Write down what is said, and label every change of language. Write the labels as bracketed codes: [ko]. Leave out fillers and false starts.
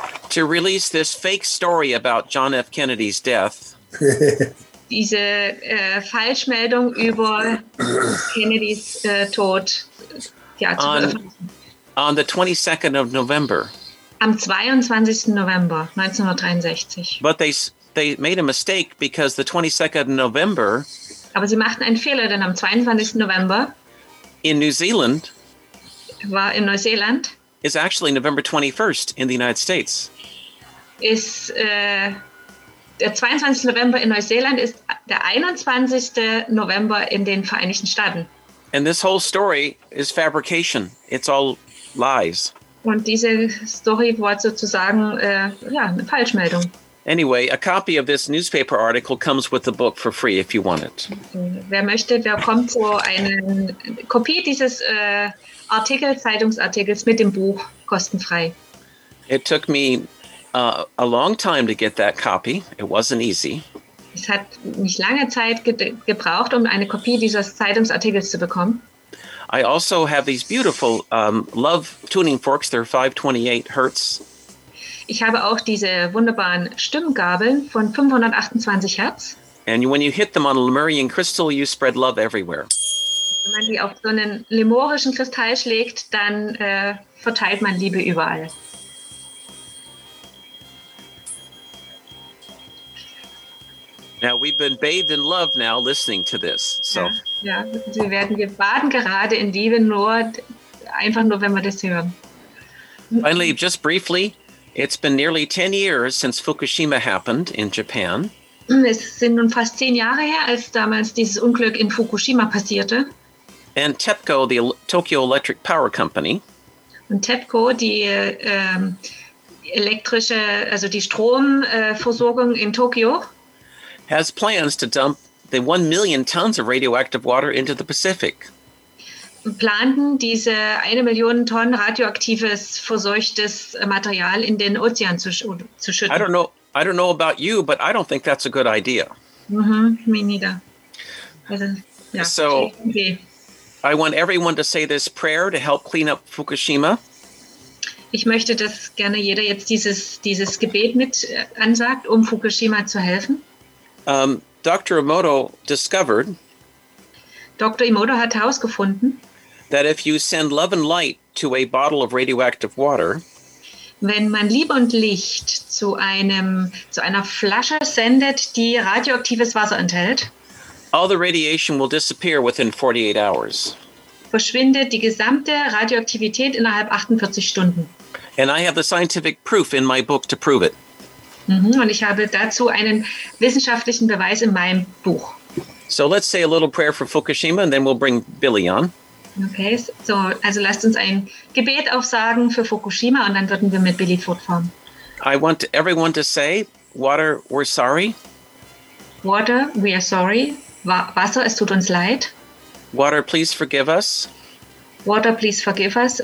[en] To release this fake story about John F. Kennedy's death. [de] Diese Falschmeldung über Kennedys Tod. Ja, [en] on the 22nd of November. [de] Am 22. November 1963. [en] But they made a mistake because the 22nd of November. [de] Aber sie machten einen Fehler, denn am 22. November. [en] In New Zealand. [de] War in Neuseeland. [en] Is actually November 21st in the United States. [de] Ist der 22. November in Neuseeland ist der 21. November in den Vereinigten Staaten. [en] And this whole story is fabrication. It's all lies. [de] Und diese Story war sozusagen eine Falschmeldung. [en] Anyway, a copy of this newspaper article comes with the book for free if you want it. [de] Wer möchte, wer kommt so eine Kopie dieses Zeitungsartikels mit dem Buch kostenfrei. [en] It took me a long time to get that copy. It wasn't easy. [de] Es hat mich lange Zeit gebraucht, um eine Kopie dieses Zeitungsartikels zu bekommen. [en] I also have these beautiful love tuning forks. They're 528 Hertz. [de] Ich habe auch diese wunderbaren Stimmgabeln von 528 Hertz. [en] And when you hit them on a Lemurian crystal, you spread love everywhere. [de] Wenn man die auf so einen lemurischen Kristall schlägt, dann verteilt man Liebe überall. [en] Now we've been bathed in love now listening to this. So. [de] Ja, wir werden baden gerade in Liebe, nur einfach nur, wenn wir das hören. [en] Finally, just briefly, it's been nearly 10 years since Fukushima happened in Japan. [de] Es sind nun fast 10 Jahre her, als damals dieses Unglück in Fukushima passierte. [en] And TEPCO, the Tokyo Electric Power Company. [de] Und TEPCO, die elektrische, also die Stromversorgung in Tokio. [en] Has plans to dump the 1 million tons of radioactive water into the Pacific. [de] Planten diese 1 Million Tonnen radioaktives verseuchtes Material in den Ozean zu schütten. [en] I don't know about you, but I don't think that's a good idea. Mm-hmm, me neither. [de] Also, ja. [en] So. Okay. I want everyone to say this prayer to help clean up Fukushima. [de] Ich möchte, dass gerne jeder jetzt dieses Gebet mit ansagt, um Fukushima zu helfen. [en] Dr. Emoto discovered. [de] Dr. Imoto hat herausgefunden, [en] that if you send love and light to a bottle of radioactive water, [de] wenn man Liebe und Licht zu einer Flasche sendet, die radioaktives Wasser enthält, [en] all the radiation will disappear within 48 hours. [de] Verschwindet die gesamte Radioaktivität innerhalb 48 Stunden. [en] And I have the scientific proof in my book to prove it. [de] Und ich habe dazu einen wissenschaftlichen Beweis in meinem Buch. [en] So let's say a little prayer for Fukushima and then we'll bring Billy on. [de] Okay, so also lasst uns ein Gebet aufsagen für Fukushima und dann würden wir mit Billy fortfahren. [en] I want everyone to say, water, we're sorry. Water, we are sorry. [de] Wasser, es tut uns leid. [en] Water, please forgive us. Water, please forgive us.